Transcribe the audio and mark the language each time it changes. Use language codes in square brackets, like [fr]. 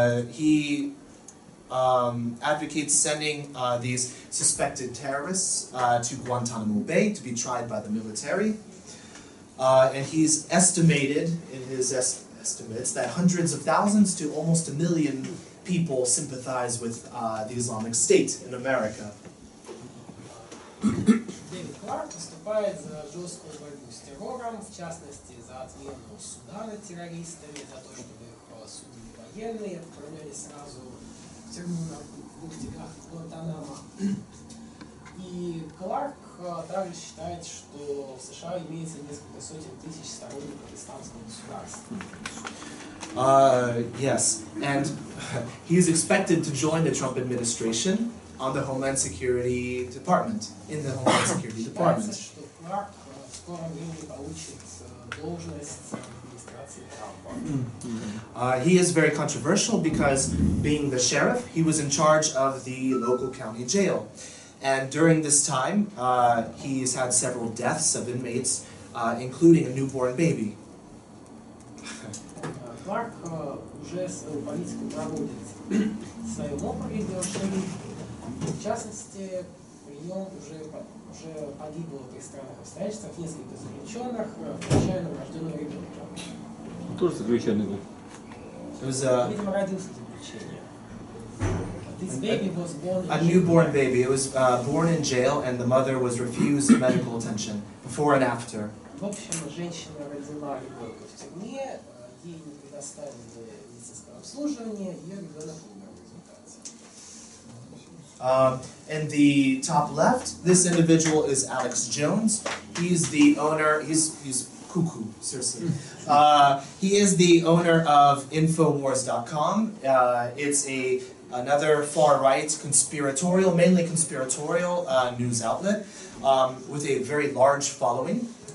[en] He advocates sending these suspected terrorists to Guantanamo Bay to be tried by the military. And he's estimated, in his estimates, that hundreds of thousands to almost a million people sympathize with the Islamic State in America. [ru] David Clark выступает за жесткую борьбу с террором, в частности, за отмену суда над террористами, за то, чтобы их судили военные, отправляли сразу в тюрьму на бухтиках Гуантанамо. И Кларк также считает, что в США имеется несколько сотен тысяч сторонников исламского государства. [en] Yes, and he is expected to join the Trump administration on the Homeland Security Department, in the Homeland Security Department. [ru] Что Кларк в скором времени получит должность администрации Трампа. [en] He is very controversial because, being the sheriff, he was in charge of the local county jail. And during this time, he's had several deaths of inmates, including a newborn baby. [ru] Кларк уже свою политику проводит в своем округе, в частности, при нем уже погибло при странных обстоятельствах несколько заключенных, включая новорожденного ребенка. Тоже заключенный был. Видимо, родился заключение. [en] This baby was born in a newborn baby. It was born in jail, and the mother was refused medical attention before and after. [ru] В общем, женщина родила ребенка в тюрьме, ей не предоставили медицинского обслуживания, ее ребенок умер в результате. [en] In the top left, this individual is Alex Jones. He's the owner. He's cuckoo, seriously. He is the owner of Infowars.com. It's a another far-right, conspiratorial, mainly conspiratorial news outlet with a very large following.